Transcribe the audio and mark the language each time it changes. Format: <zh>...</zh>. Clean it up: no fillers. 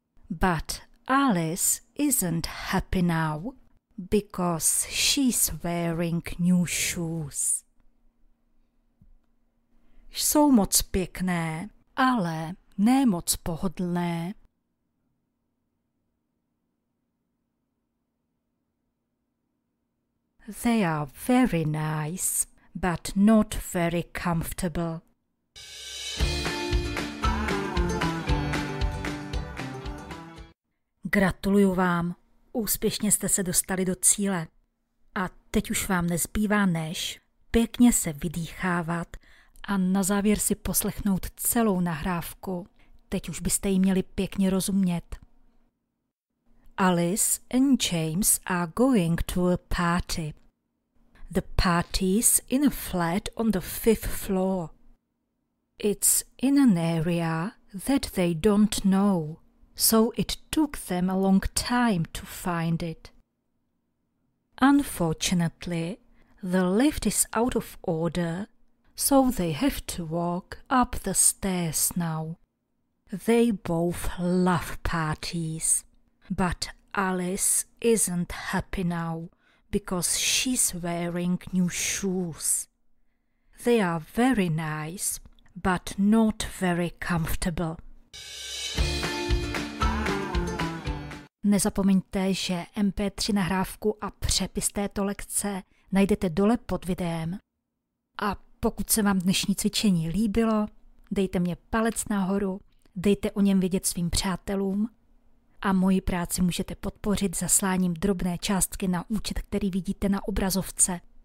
<en>But Alice isn't happy now, because she's wearing new shoes.</en> <cs>Jsou moc pěkné, ale ne moc pohodlné.</cs> <en>They are very nice, but not very comfortable.</en> <cs>Gratuluju vám, úspěšně jste se dostali do cíle. A teď už vám nezbývá než pěkně se vydýchávat a na závěr si poslechnout celou nahrávku. Teď už byste ji měli pěkně rozumět.</cs> <en>Alice and James are going to a party. The party's in a flat on the fifth floor. It's in an area that they don't know. So it took them a long time to find it. Unfortunately, the lift is out of order, so they have to walk up the stairs now. They both love parties, but Alice isn't happy now because she's wearing new shoes. They are very nice, but not very comfortable.</en> <cs>Nezapomeňte, že MP3 nahrávku a přepis této lekce najdete dole pod videem. A pokud se vám dnešní cvičení líbilo, dejte mě palec nahoru, dejte o něm vědět svým přátelům a moji práci můžete podpořit zasláním drobné částky na účet, který vidíte na obrazovce.</cs>